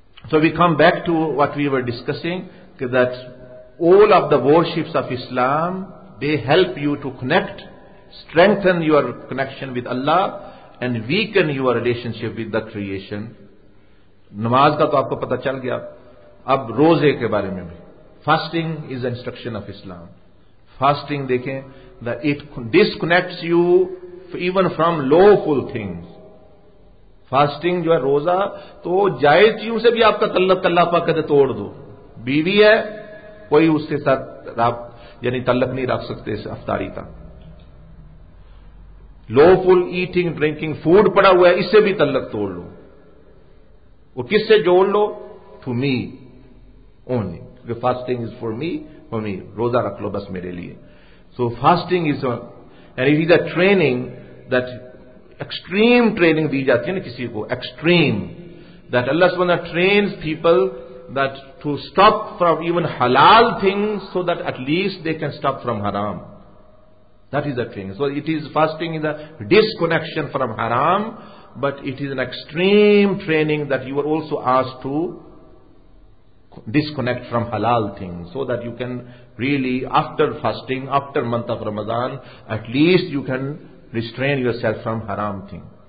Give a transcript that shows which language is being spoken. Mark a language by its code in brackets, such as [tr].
[en] So we come back to what we were discussing کہ that all of the worships of Islam they help you to connect, strengthen your connection with Allah and weaken your relationship with the creation. [ur] نماز کا تو آپ کو پتا چل گیا, اب روزے کے بارے میں بھی, [en] fasting is an instruction of Islam. Fasting دیکھیں that it disconnects you even from lawful things. [ur] Fasting جو ہے روزہ, تو جائز چیزوں سے بھی آپ کا تعلق اللہ پاک کہتے توڑ دو, بیوی ہے کوئی اس کے ساتھ یعنی تعلق نہیں رکھ سکتے اس افطاری کا, [en] lawful eating drinking food [ur] پڑا ہوا ہے اس سے بھی تعلق توڑ لو, وہ کس سے جوڑ لو, [en] to me only, [ur] کیونکہ [en] fasting is for me, for me [ur] روزہ رکھ لو بس میرے لیے. [en] so fasting is and it is a training that extreme training [ur] دی جاتی ہے نا کسی کو, [en] Extreme that اللہ سبحانہ trains people that to stop from even حلال thing so that at least they can stop from حرام. That is the thing. So it is fasting is a disconnection from haram, but it is an extreme training that you are also asked to disconnect from halal things, so that you can really, after fasting, after month of Ramadan, at least you can restrain yourself from haram thing.